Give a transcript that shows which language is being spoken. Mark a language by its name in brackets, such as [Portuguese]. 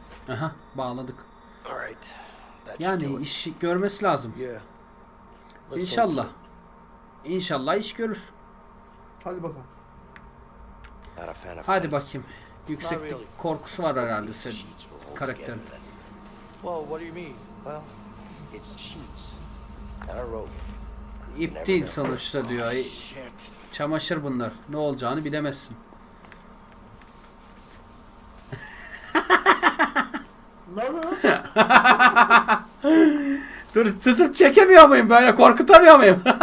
[Turkish] Aha, bağladık. Yani iş görmesi lazım. İnşallah. İnşallah iş görür. Hadi bakalım. Hadi bakayım. Yükseklik korkusu var herhalde senin karakterin. [English] Well, what do you mean? Well, it's sheets and a rope. [Turkish] İp değil sonuçta diyor. Çamaşır bunlar. Ne olacağını bilemezsin. Ne oldu? Dur, tutup çekemiyor muyum böyle? Korkutamıyor muyum?